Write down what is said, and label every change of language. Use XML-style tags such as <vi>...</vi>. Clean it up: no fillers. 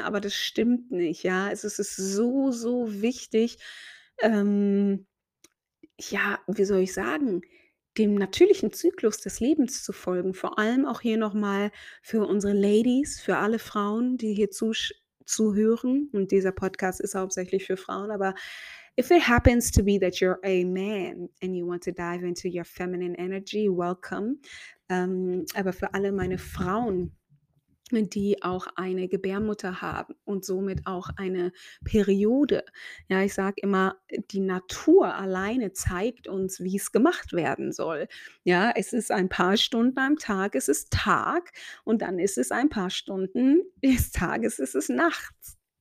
<de>Aber das stimmt nicht, ja. Es ist so, so wichtig, wie soll ich sagen, dem natürlichen Zyklus des Lebens zu folgen. Vor allem auch hier nochmal für unsere Ladies, für alle Frauen, die hier zuhören. Und dieser Podcast ist hauptsächlich für Frauen.</de> <en>Aber if it happens to be that you're a man and you want to dive into your feminine energy, welcome.</en> <de>Aber für alle meine Frauen, die auch eine Gebärmutter haben und somit auch eine Periode. Ja, ich sage immer, die Natur alleine zeigt uns, wie es gemacht werden soll. Ja, es ist ein paar Stunden am Tag, es ist Tag und dann ist es ein paar Stunden des Tages, es ist nachts.</de>